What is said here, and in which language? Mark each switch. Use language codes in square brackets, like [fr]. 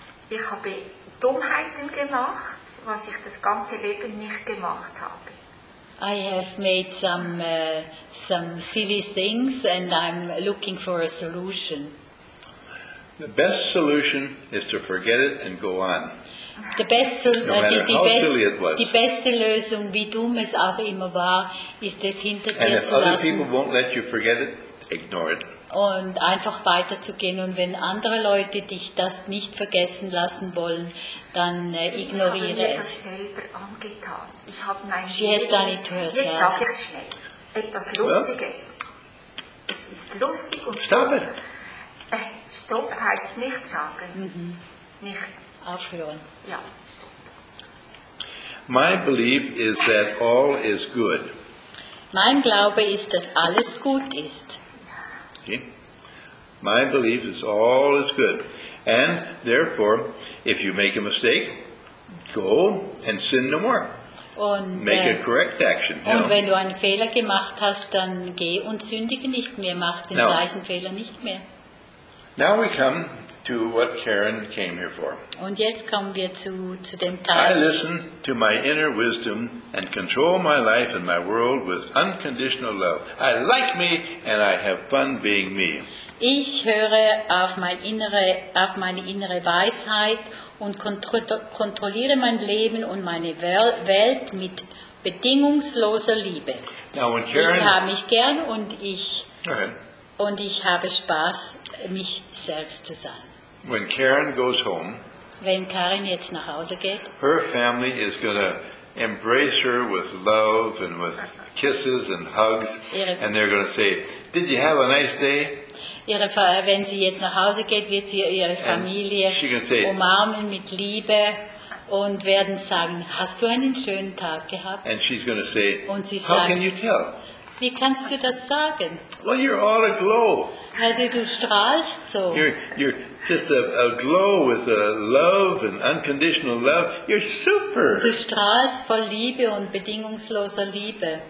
[de] Ich habe Dummheiten gemacht, was ich das ganze Leben nicht gemacht habe. [en] I have made some silly things and I'm looking for a solution. The best solution is to forget it and go on. The best solution, [de] die beste Lösung, wie dumm es auch immer war, ist es hinter dir zu lassen. [en] And if other people won't let you forget it, ignore it. [de] Und einfach weiterzugehen. Und wenn andere Leute dich das nicht vergessen lassen wollen, dann ignoriere es. Ich habe mir das selber angetan. Ich habe mein [en] She has done it to herself. [de] Jetzt sage ich es schnell. Etwas Lustiges. Well, es ist lustig und stopp. Stopp heißt nicht sagen. Mm-hmm. Nicht aufhören. Ja, stopp. [en] My belief is that all is good. [de] Mein Glaube ist, dass alles gut ist. [en] My belief is all is good. And therefore, if you make a mistake, go and sin no more. [de] Und, [en] make a correct action. [de] Und wenn du einen Fehler gemacht hast, dann geh und sündige nicht mehr. Mach den gleichen Fehler nicht mehr. [en] Now we come to what Karen came here for. [de] Und jetzt kommen wir zu dem Teil. [en] I listen to my inner wisdom and control my life and my world with unconditional love. I like me and I have fun being me. [de] Ich höre auf meine innere Weisheit und kontrolliere mein Leben und meine Welt mit bedingungsloser Liebe. [en] Now when Karen, [de] ich habe mich gern und ich habe Spaß, mich selbst zu sein. [en] When Karen goes home, [de] wenn Karen jetzt nach Hause geht, [en] her family is going to embrace her with love and with kisses and hugs, and they're going to say, "Did you have a nice day?" [de] Wenn sie jetzt nach Hause geht, wird sie ihre Familie umarmen mit Liebe und werden sagen, "Hast du einen schönen Tag gehabt?" [en] And she's going to say, "How can you tell?" [de] Wie kannst du das sagen? [en] Well, you're all aglow. [de] Weil du strahlst so. [en] You're just a glow with a love and unconditional love. You're super. [de] Du strahlst voll Liebe und bedingungsloser Liebe.